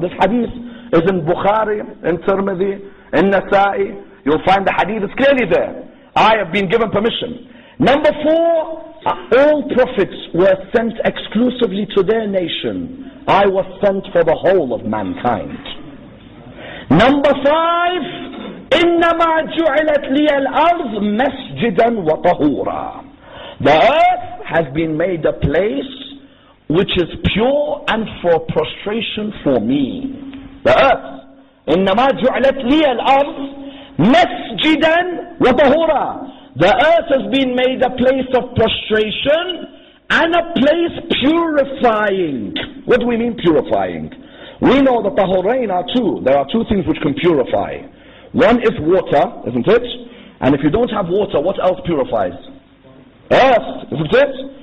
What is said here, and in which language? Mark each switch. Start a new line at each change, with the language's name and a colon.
English: This hadith is in Bukhari, in Tirmidhi, in Nasa'i. You'll find the hadith is clearly there. I have been given permission. Number four, all prophets were sent exclusively to their nation. I was sent for the whole of mankind. Number five,
Arabic: إِنَّمَا جُعِلَتْ لِيَ الْأَرْضِ مَسْجِدًا وَطَهُورًا.
English: The earth has been made a place which is pure and for prostration for me. The earth,
Arabic: إِنَّمَا جُعِلَتْ لِيَ الْأَرْضِ مَسْجِدًا وَطَهُورًا.
English: The earth has been made a place of prostration and a place purifying. What do we mean purifying? We know that tahorain are two. There are two things which can purify. One is water, isn't it? And if you don't have water, what else purifies? Earth, isn't it?